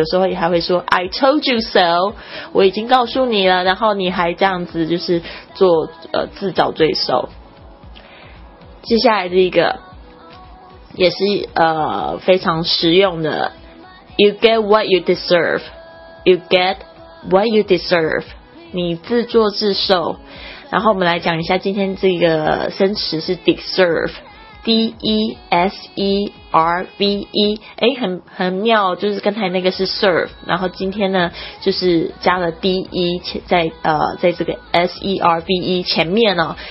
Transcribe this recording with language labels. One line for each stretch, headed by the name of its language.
Chinese: 有时候也还会说
English: I told you so,
Chinese: 我已经告诉你了，然后你还这样子就是做自找罪受。接下来这一个也是非常实用的
English: You get what you deserve. You get what you deserve.
Chinese: 你自作自受。然后我们来讲一下今天这个生词是 deserve. D-E-S-E-R-V-E 很妙，就是刚才那个是 serve, 然后今天呢就是加了 D-E 在这个 S-E-R-V-E 前面哦。